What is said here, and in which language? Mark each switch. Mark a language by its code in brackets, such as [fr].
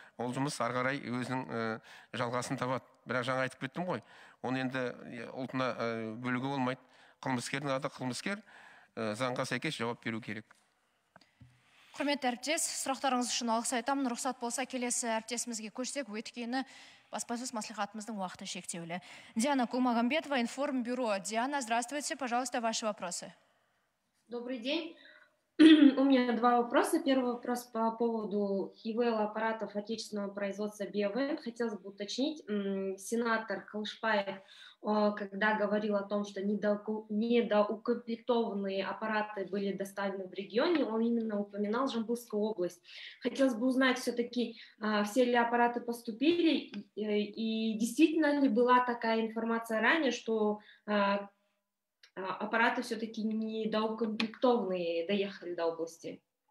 [kk] Ол жұмыс ары қарай өзінің жалғасын табады. Бірақ жаңа айтып кеттім ғой, оны енді ұлтына бөлуге болмайды. Қылмыскердің аты қылмыскер, заңға сәйкес жауап беру керек. Құрметті әріптес, сұрақтарыңыз үшін алғыс айтамын. Рұқсат болса, келесі әріптесімізге көшсек, өйткені баспасөз мәслихатымыздың уақыты шектеулі. [ru] Диана Кулмағамбетова, Информбюро. Диана, здравствуйте, пожалуйста, ваши вопросы. Добрый день. У меня два вопроса. Первый вопрос по поводу ИВЛ-аппаратов отечественного производства BioVent. Хотелось бы уточнить, сенатор Калышбаев, когда говорил о том, что недоукомплектованные аппараты были доставлены в регионе, он именно упоминал Жамбылскую область. Хотелось бы узнать все-таки, все ли аппараты поступили, и действительно ли была такая информация ранее, что аппараты все-таки недоукомплектованные доехали до области?